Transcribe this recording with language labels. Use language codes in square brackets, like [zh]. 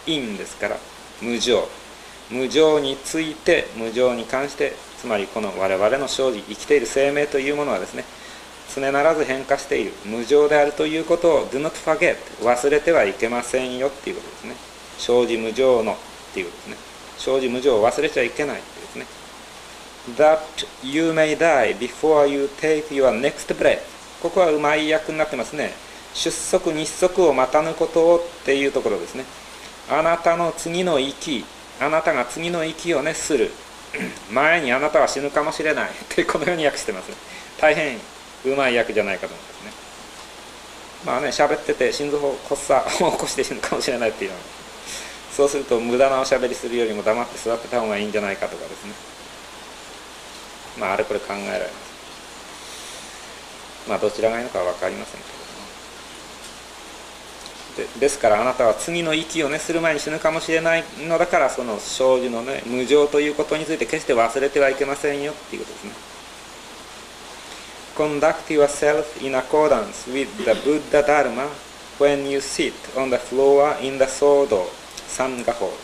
[ja] in ですから無常、無常について、無常に関して、つまりこの我々の生じ、生きている生命というものはですね、常ならず変化している無常であるということを [en] do not forget [ja] 忘れてはいけませんよっていうことですね。生じ無常のっていうことですね。生じ無常を忘れちゃいけないっていうですね。 [en] that you may die before you take your next breath。 [ja] ここはうまい訳になってますね。出息日息を待たぬことをっていうところですね。あなたの次の息、あなたが次の息をねする前にあなたは死ぬかもしれないってこのように訳してます。大変うまい訳じゃないかと思うんですね。まあね、喋ってて心臓発作を起こして死ぬかもしれないっていうの。そうすると無駄なおしゃべりするよりも黙って座ってた方がいいんじゃないかとかですね。まああれこれ考えられます。まあどちらがいいのかは分かりませんけど、ね、ですからあなたは次の息をねする前に死ぬかもしれないのだから、その生じのね無常ということについて決して忘れてはいけませんよっていうことですね。 [en] Conduct yourself in accordance with the Buddha Dharma when you sit on the floor in the Sōdō Sangha.